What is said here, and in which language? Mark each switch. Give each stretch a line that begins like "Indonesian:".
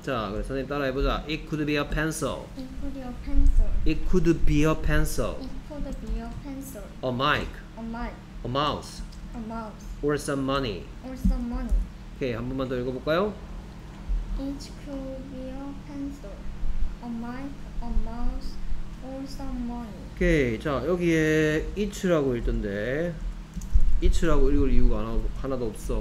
Korean: 자, 그래서 선생님 따라해 보자.
English: It could be a pencil. It could be a pencil. It could be a pencil. It could be a pencil. A mic. A mic. A mouse. A mouse. Or some money. Or some money.
Korean: 오케이, 한 번만 더 읽어볼까요?
English: It could be a pencil, a mic, a mouse, or some money.
Korean: 오케이, 자, 여기에 it라고 읽던데 it라고 읽을 이유가 하나도 없어.